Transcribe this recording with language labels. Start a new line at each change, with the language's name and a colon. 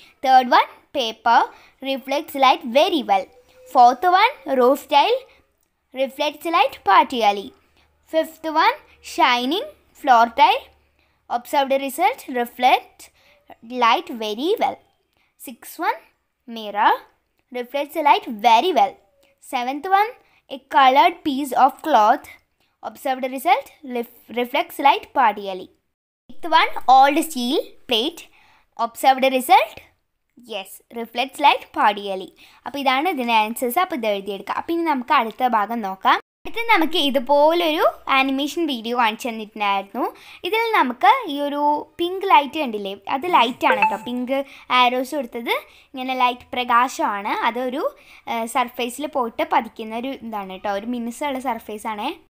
English: 3rd 1 paper, reflects light very well. 4th 1 roof tile, reflects light partially. 5th 1 shining floor tile, observed result reflect light very well. 6th 1 mirror, reflects light very well. 7th 1 a colored piece of cloth, observed result reflects light partially. 8th 1 old steel plate, observed result yes reflects light partially.
Malayalam: അപ്പോൾ ഇതാണ് ഇതിൻ്റെ answers. അപ്പോൾ ഇത് എഴുതിയെടുക്കാം. അപ്പം ഇനി നമുക്ക് അടുത്ത ഭാഗം നോക്കാം. അടുത്ത് നമുക്ക് ഇതുപോലൊരു ആനിമേഷൻ വീഡിയോ കാണിച്ചു തന്നിട്ടുണ്ടായിരുന്നു. ഇതിൽ നമുക്ക് ഈ ഒരു പിങ്ക് ലൈറ്റ് കണ്ടില്ലേ, അത് ലൈറ്റാണ് കേട്ടോ. പിങ്ക് ആരോസ് കൊടുത്തത് ഇങ്ങനെ ലൈറ്റ് പ്രകാശമാണ്, അതൊരു സർഫേസിൽ പോയിട്ട് പതിക്കുന്ന ഒരു ഇതാണ് കേട്ടോ, ഒരു മിനുസമുള്ള സർഫേസാണേ.